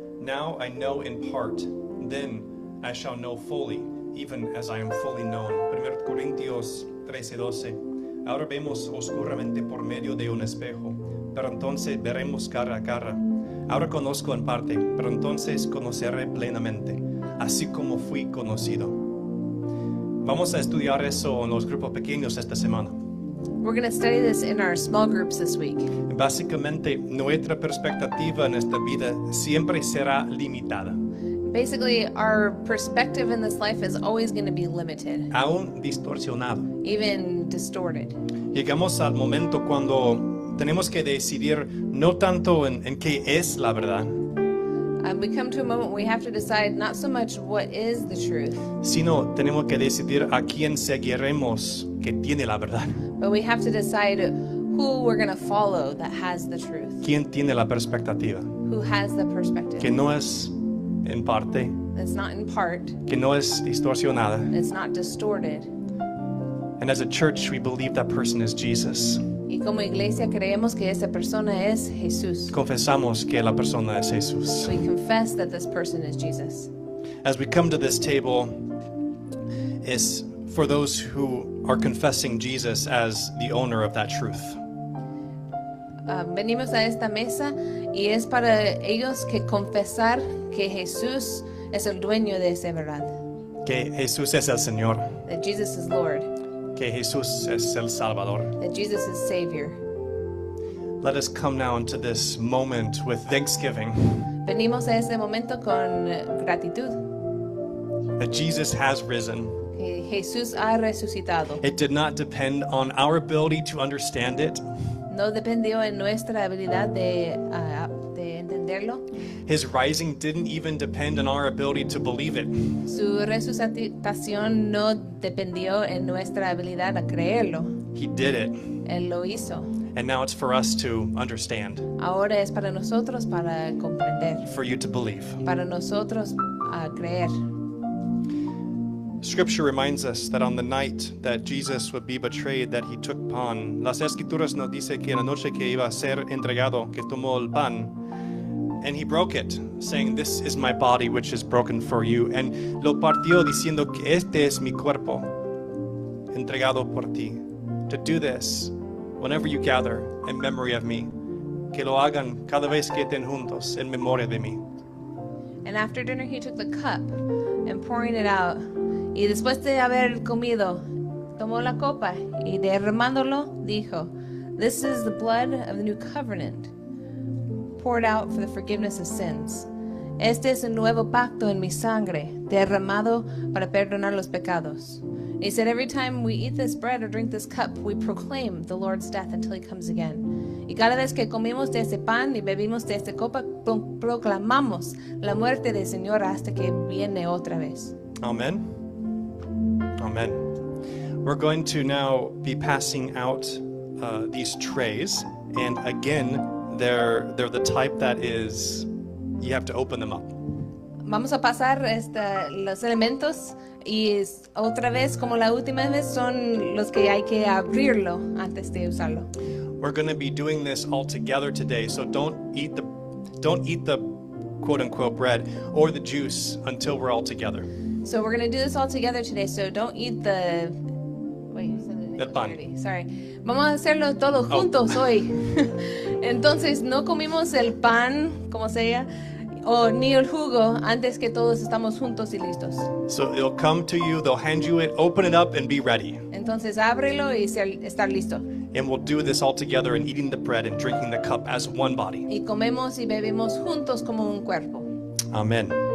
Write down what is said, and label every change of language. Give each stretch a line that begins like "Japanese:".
English: Now I know in part, then I shall know fully, even as I am fully known.
Spanish: 1 Corintios 13:12. Ahora vemos oscuramente por medio de un espejo, pero entonces veremos cara a cara. Ahora conozco en parte, pero entonces conoceré plenamente, así como fui conocido. Vamos a estudiar eso en los grupos pequeños esta semana.
English: We're going to study this in our small groups this week.
Spanish: Básicamente, nuestra perspectiva en esta vida siempre será limitada.
English: Basically, our perspective in this life is always going to be limited.
Spanish: Aún distorsionado.
English: Even distorted.
Spanish: Llegamos al momento cuando tenemos que decidir no tanto en qué es la verdad.
English: We come to a moment where we have to decide not so much what is the truth,
Spanish: sino tenemos que decidir a quién seguiremos que tiene la verdad.
English: But we have to decide who we're going to follow that has the truth.
Spanish: ¿Quién tiene la perspectiva?
English: Who has the perspective?
Spanish: Que no es en parte.
English: It's not in part.
Spanish: Que no es distorsionada.
English: It's not distorted. And as a church, we believe that person is Jesus.
Spanish: Y como iglesia creemos que esa persona es Jesús. Confesamos que la persona es Jesús.
English: We confess that this person is Jesus. As we come to this table, it's for those who are confessing Jesus as the owner of that truth.
Spanish: Venimos a esta mesa y es para ellos que confesar que Jesús es el dueño de esa verdad. Que Jesús es el Señor.
English: That Jesus is Lord.
Spanish: Que Jesús es el Salvador.
English: That Jesus is Savior. Let us come now into this moment with thanksgiving.
Spanish: Venimos a este momento con gratitud.
English: That Jesus has risen.
Spanish: Que Jesús ha resucitado.
English: It did not depend on our ability to understand it.
Spanish: No dependió en nuestra habilidad de entenderlo.
English: His rising didn't even depend on our ability to believe it.
Spanish: Su resucitación no dependió en nuestra habilidad a creerlo.
English: He did it.
Spanish: Él lo hizo.
English: And now it's for us to understand.
Spanish: Ahora es para nosotros para comprender.
English: For you to believe.
Spanish: Para nosotros a creer.
English: Scripture reminds us that on the night that Jesus would be betrayed, that he took pan.
Spanish: Las escrituras nos dice que la noche que iba a ser entregado, que tomó el pan.
English: And he broke it, saying, "This is my body, which is broken for you."
Spanish: And lo partió diciendo que este es mi cuerpo, entregado por ti.
English: To do this, whenever you gather in memory of me,
Spanish: que lo hagan cada vez que estén juntos en memoria de mí.
English: And after dinner, he took the cup and pouring it out.
Spanish: Y después de haber comido, tomó la copa y derramándolo, dijo,
English: "This is the blood of the new covenant, poured out for the forgiveness of sins.
Spanish: Este es el nuevo pacto en mi sangre, derramado para perdonar los pecados."
English: He said, "Every time we eat this bread or drink this cup, we proclaim the Lord's death until he comes again."
Spanish: Y cada vez que comemos de este pan y bebimos de esta copa, proclamamos la muerte del Señor hasta que viene otra vez.
English: Amen. Amen. We're going to now be passing out these trays, and again, they're the type that is, you have to open them up.
Spanish: Vamos a pasar este, los elementos y es, otra vez, como la última vez, son los que hay que abrirlo antes de usarlo.
English: We're going to be doing this all together today, so don't eat the quote-unquote bread or the juice until we're all together. So we're going to do this all together today, so don't eat the...
Spanish: El pan. Sorry. Vamos a hacerlo todos juntos hoy. Entonces, no comimos el pan, como sea, o ni el jugo, antes que todos estamos juntos y listos.
English: So it'll come to you, they'll hand you it, open it up and be ready.
Spanish: Entonces, ábrelo y estar listo.
English: And we'll do this all together and eating the bread and drinking the cup as one body.
Spanish: Y comemos y bebemos juntos como un cuerpo.
English: Amen.